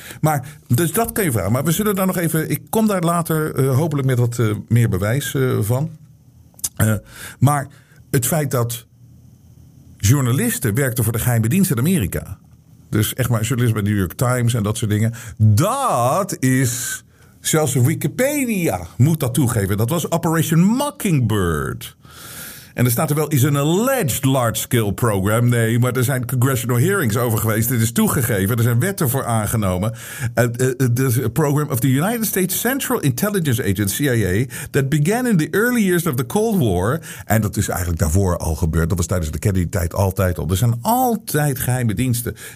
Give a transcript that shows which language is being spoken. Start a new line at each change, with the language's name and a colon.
Dutch: Maar dus dat kan je vragen. Maar we zullen daar nog even, ik kom daar later hopelijk met wat meer bewijs van. Maar het feit dat journalisten werkten voor de geheime dienst in Amerika. Dus echt maar journalisten bij de New York Times en dat soort dingen. Dat is, zelfs Wikipedia moet dat toegeven. Dat was Operation Mockingbird. En er staat er wel, is een
English: alleged large-scale program.
Dutch: Nee, maar er zijn
English: congressional hearings
Dutch: over geweest. Dit is toegegeven. Er zijn wetten voor aangenomen.
English: There's a program of the United States Central Intelligence Agency, CIA, that began in the early years of the Cold War.
Dutch: En dat is eigenlijk daarvoor al gebeurd. Dat was tijdens de Kennedy-tijd altijd al. Er zijn altijd geheime diensten.